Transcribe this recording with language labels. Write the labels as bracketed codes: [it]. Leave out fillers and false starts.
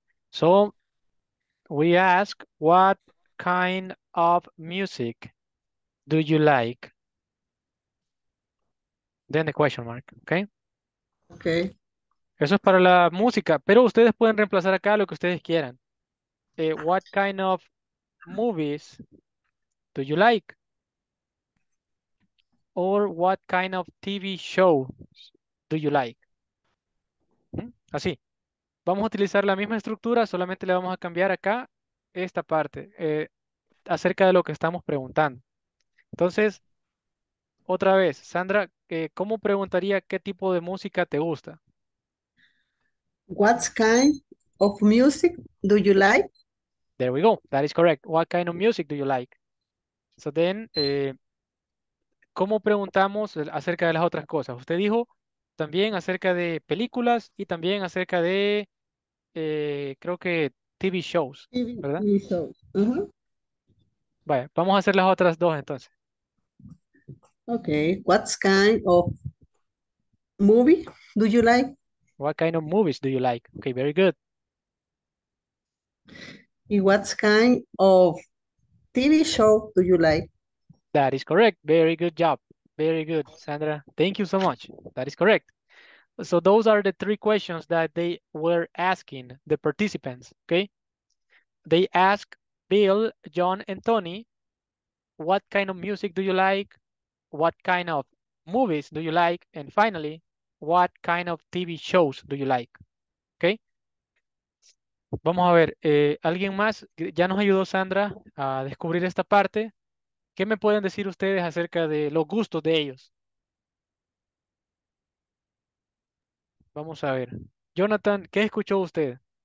[en] So, we ask, what kind of music do you like? Then the question mark, okay? Okay. [es] Eso es para la música, pero ustedes pueden reemplazar acá lo que ustedes quieran. [en] What kind of movies do you like? Or what kind of TV shows do you like? [es] Así. Vamos a utilizar la misma estructura, solamente le vamos a cambiar acá esta parte acerca de lo que estamos preguntando. Entonces, otra vez, Sandra, ¿cómo preguntaría qué tipo de música te gusta? [en] What kind of music do you like? There we go. That is correct. What kind of music do you like? So then, [es] ¿cómo preguntamos acerca de las otras cosas? Usted dijo también acerca de películas y también acerca de, creo que TV shows, ¿verdad? Vaya, vamos a hacer las otras dos entonces. [en] Okay, what kind of movie do you like? What kind of movies do you like? Okay, very good. What kind of TV show do you like? That is correct. Very good job. Very good, Sandra. Thank you so much. That is correct. So those are the three questions that they were asking the participants, okay? They ask Bill, John, and Tony, what kind of music do you like? What kind of movies do you like? And finally, what kind of TV shows do you like? [es] Okay. Vamos a ver, ¿alguien más? Ya nos ayudó Sandra a descubrir esta parte. ¿Qué me pueden decir ustedes acerca de los gustos de ellos? Vamos a ver. Jonathan, ¿qué escuchó usted?